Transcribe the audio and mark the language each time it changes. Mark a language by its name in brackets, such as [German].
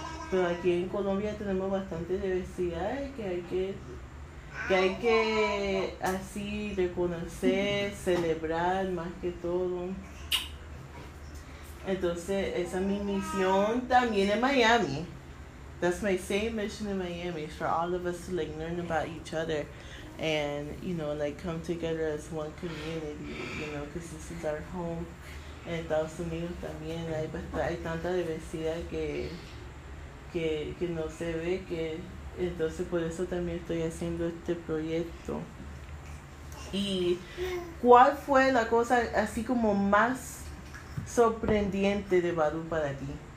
[Spanish] Pero aquí en Colombia tenemos bastante diversidad que hay que así reconocer, celebrar más que todo. Entonces, esa es mi misión también en Miami. [English] That's my same mission in Miami, for all of us to, like, learn about each other and, you know, like, come together as one community, you know, because this is our home. [Spanish] En Estados Unidos también hay tanta diversidad que no se ve, que entonces por eso también estoy haciendo este proyecto. ¿Y cuál fue la cosa así como más sorprendente de Barú para ti?